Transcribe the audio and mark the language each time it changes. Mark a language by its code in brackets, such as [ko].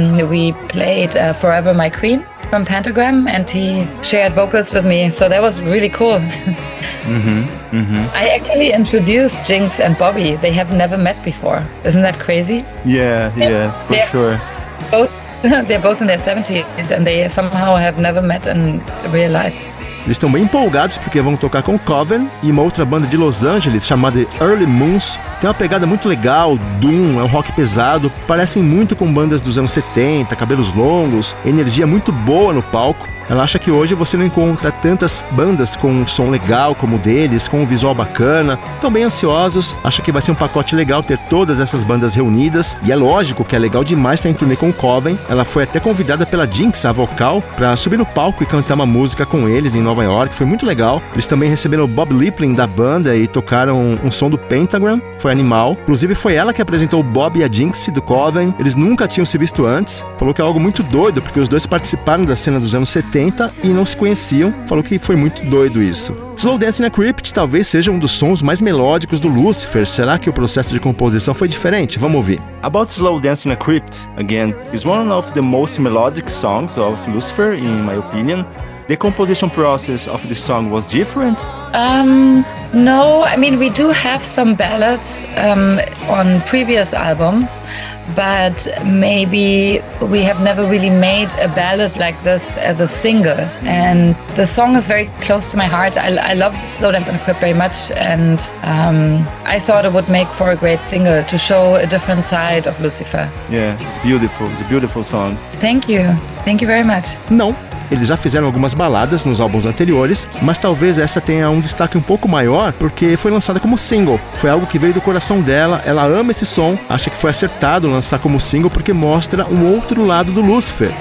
[en] We played Forever My Queen from Pentagram, and he shared vocals with me. So that was really cool. I actually introduced Jinx and Bobby. They have never met before. Isn't that crazy? They're both in their 70s, and they somehow have never met in real life. [pt] Eles estão bem empolgados porque vão tocar com Coven e uma outra banda de Los Angeles chamada Early Moons. Tem uma pegada muito legal, doom, é um rock pesado, parecem muito com bandas dos anos 70, cabelos longos, energia muito boa no palco. Ela acha que hoje você não encontra tantas bandas com um som legal como o deles, com um visual bacana. Estão bem ansiosos, acha que vai ser um pacote legal ter todas essas bandas reunidas. E é lógico que é legal demais estar em turnê com o Coven. Ela foi até convidada pela Jinx, a vocal, para subir no palco e cantar uma música com eles em Nova York. Foi muito legal. Eles também receberam o Bob Liebling da banda e tocaram um som do Pentagram. Foi animal. Inclusive foi ela que apresentou o Bob e a Jinx do Coven. Eles nunca tinham se visto antes. Falou que é algo muito doido, porque os dois participaram da cena dos anos 70 e não se conheciam. Falou que foi muito doido isso. Slow Dancing in the Crypt talvez seja um dos sons mais melódicos do Lucifer. Será que o processo de composição foi diferente? Vamos ouvir. [en] About Slow Dancing in the Crypt, again, is one of the most melodic songs of Lucifer, in my opinion. The composition process of the song was different? No, I mean, we do have some ballads on previous albums, but maybe we have never really made a ballad like this as a single. And the song is very close to my heart. I love Slow Dance in the Crypt very much, and I thought it would make for a great single to show a different side of Lucifer. Yeah, it's beautiful. It's a beautiful song. Thank you very much. No. [pt] Eles já fizeram algumas baladas nos álbuns anteriores, mas talvez essa tenha um destaque um pouco maior porque foi lançada como single. Foi algo que veio do coração dela, ela ama esse som, acha que foi acertado lançar como single porque mostra um outro lado do Lucifer.